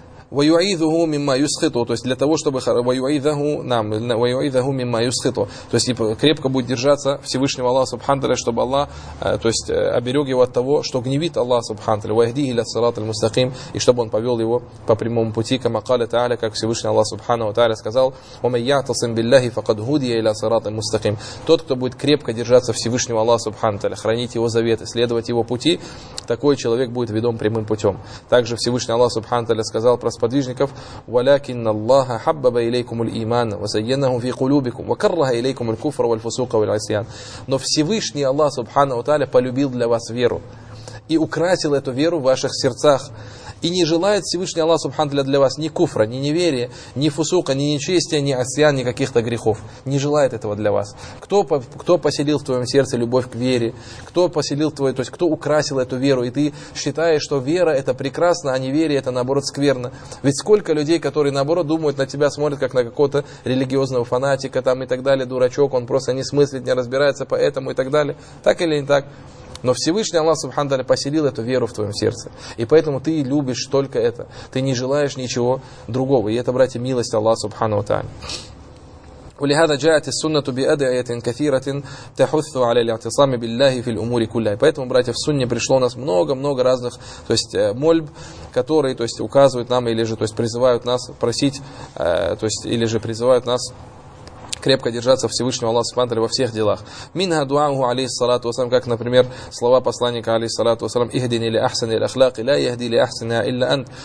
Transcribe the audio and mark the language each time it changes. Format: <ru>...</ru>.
<ar>وَيُعِيذُهُ مِمَّا يُسْخِطُ,</ar> <ru>то есть для того, чтобы</ru> <ar>وَيُعِيذَهُ مِمَّا يُسْخِطُ,</ar> <ru>то есть крепко будет держаться Всевышнего Аллаха субхану тааля, чтобы Аллах, то есть оберег его от того, что гневит Аллах субхану тааля,</ru> <ar>وَيَهْدِيهِ إِلَى الصِّرَاطِ الْمُسْتَقِيمِ,</ar> <ru>и чтобы он повел его по прямому пути,</ru> <ar>كَمَا قَالَ تَعَالَى,</ar> <ru>как Всевышний Аллах субхану тааля сказал,</ru> <ar>وَمَنْ يَعْتَصِمْ بِاللَّهِ فَقَدْ هُدِيَ إِلَى الصِّرَاطِ الْمُسْتَقِيمِ,</ar> <ru>тот, кто будет крепко держаться Всевышнего Аллаха субхану тааля, хранить его завет, следовать его пути, такой человек будет ведом прямым путем. Также Всевышний Аллах субхану тааля сказал про сподвижников:</ru> <ar>ولكن الله حبب إليكم الإيمان وزينه في قلوبكم وكره إليكم الكفر والفسوق والعصيان.</ar> <ru>Но Всевышний Аллах субханаху ва тааля полюбил для вас веру и украсил эту веру в ваших сердцах. И не желает Всевышний Аллах субхану тааля для вас ни куфра, ни неверия, ни фусука, ни нечестия, ни асьян, ни каких-то грехов. Не желает этого для вас. Кто поселил в твоем сердце любовь к вере? Кто поселил твой, то есть кто украсил эту веру? И ты считаешь, что вера это прекрасно, а неверие это наоборот скверно. Ведь сколько людей, которые наоборот думают на тебя, смотрят как на какого-то религиозного фанатика там и так далее, дурачок, он просто не смыслит, не разбирается по этому и так далее. Так или не так? Но Всевышний Аллах Субхану Тааля поселил эту веру в твоем сердце. И поэтому ты любишь только это. Ты не желаешь ничего другого. И это, братья, милость Аллаха Субхану Тааля.</ru> <ar>ولهذا جاءت السنه بادعيه كثيره تحث على الاعتصام بالله في الامور كلها.</ar> <ru>Поэтому, братья, в сунне пришло у нас много-много разных, то есть мольб, которые, то есть, указывают нам или же, то есть, призывают нас просить, то есть, или же призывают нас крепко держаться Всевышнего Аллаха Субхана Тааля во всех делах. Минха дуауху алейхи салату ва салам, как, например, слова посланника алейхи салату ва салам:</ru> <ar>"Ихдини ли ахсани аль-ахлаки ля йахди ли ахсаниха илля ант".</ar>